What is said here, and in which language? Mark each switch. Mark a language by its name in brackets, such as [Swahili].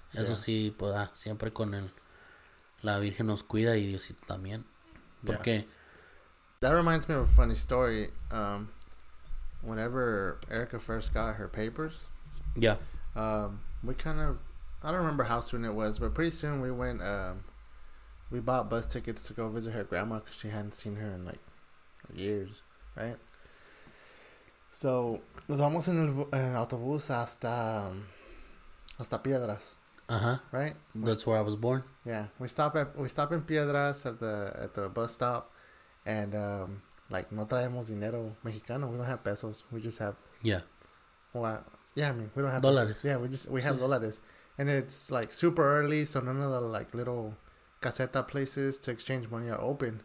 [Spanish] Eso sí, pues, siempre con la Virgen nos cuida y Diosito también. Porque... Yeah. [English] That reminds me of a funny story. Whenever Erica first got her papers, we kind of, I don't remember how soon it was, but pretty soon we went, we bought bus tickets to go visit her grandma because she hadn't seen her in like years, right? [Spanish] So, nos vamos en el autobús hasta Piedras. Uh-huh. [English] Right? That's where I was born. Yeah. We stop in Piedras at the bus stop. And, like, [Spanish] no traemos dinero mexicano. [English] We don't have pesos. We just have... Yeah. Well, yeah, I mean, we don't have... [Spanish] Dólares. Pesos. [English] Yeah, we have dólares. And it's, like, super early, so none of the, like, little caseta places to exchange money are open.